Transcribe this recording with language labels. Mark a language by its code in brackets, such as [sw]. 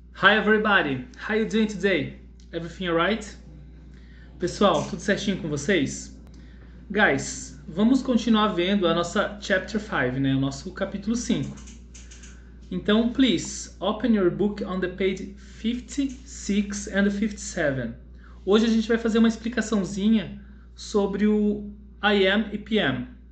[en] Hi everybody, how you doing today? Everything alright? [pt] Pessoal, tudo certinho com vocês? Guys, vamos continuar vendo a nossa chapter 5, né? O nosso capítulo 5. [en] Então, please, open your book on the page 56 and 57. [pt] Hoje a gente vai fazer uma explicaçãozinha sobre o AM e PM.